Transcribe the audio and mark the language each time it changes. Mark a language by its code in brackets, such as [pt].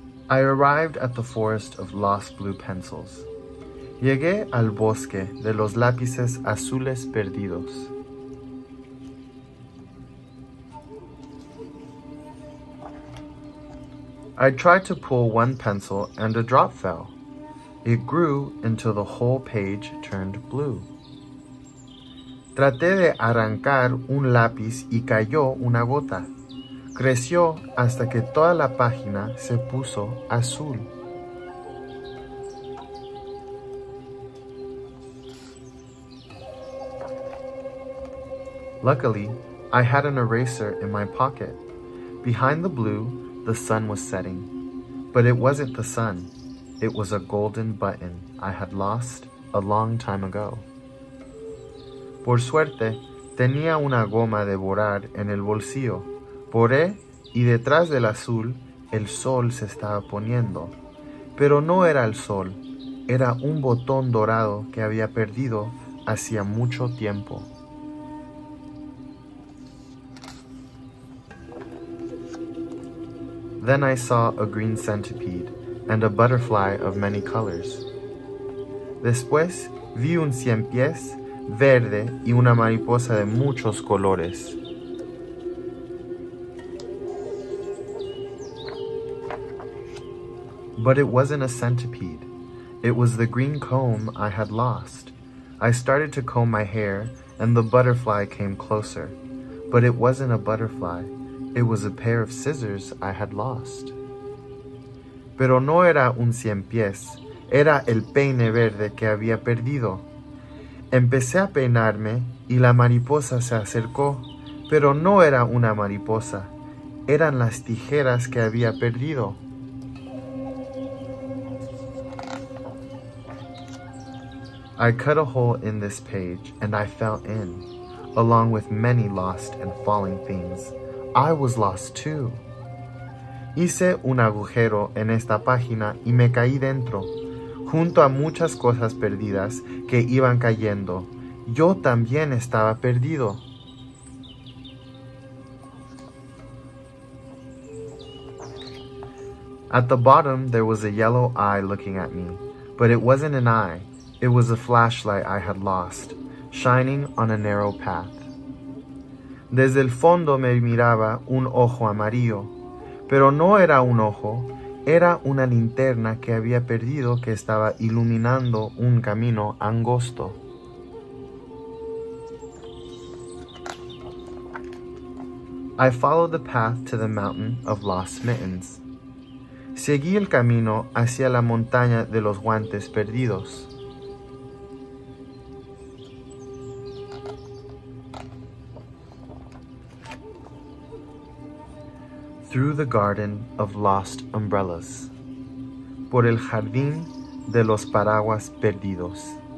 [en] I arrived at the forest of lost blue pencils. [es] Llegué al bosque de los lápices azules perdidos. [en] I tried to pull one pencil and a drop fell. It grew until the whole page turned blue. [es] Traté de arrancar un lápiz y cayó una gota. Creció hasta que toda la página se puso azul. [en] Luckily, I had an eraser in my pocket. Behind the blue, the sun was setting. But it wasn't the sun. It was a golden button I had lost a long time ago. [es] Por suerte, tenía una goma de borrar en el bolsillo. Borré y detrás del azul, el sol se estaba poniendo. Pero no era el sol, era un botón dorado que había perdido hacía mucho tiempo. [en] Then I saw a green centipede and a butterfly of many colors. [es] Después vi un ciempiés verde y una mariposa de muchos colores. [en] But it wasn't a centipede. It was the green comb I had lost. I started to comb my hair and the butterfly came closer. But it wasn't a butterfly. It was a pair of scissors I had lost. [es] Pero no era un ciempiés. Era el peine verde que había perdido. Empecé a peinarme y la mariposa se acercó. Pero no era una mariposa. Eran las tijeras que había perdido. [en] I cut a hole in this page and I fell in, along with many lost and falling things. I was lost too. [es] Hice un agujero en esta página y me caí dentro, junto a muchas cosas perdidas que iban cayendo. Yo también estaba perdido. [en] At the bottom, there was a yellow eye looking at me, but it wasn't an eye. It was a flashlight I had lost, shining on a narrow path. [es] Desde el fondo me miraba un ojo amarillo, pero no era un ojo, era una linterna que había perdido que estaba iluminando un camino angosto. [en] I followed the path to the mountain of lost mittens. [es] Seguí el camino hacia la montaña de los guantes perdidos. [en] Through the garden of lost umbrellas. [es] Por el jardín de los paraguas perdidos.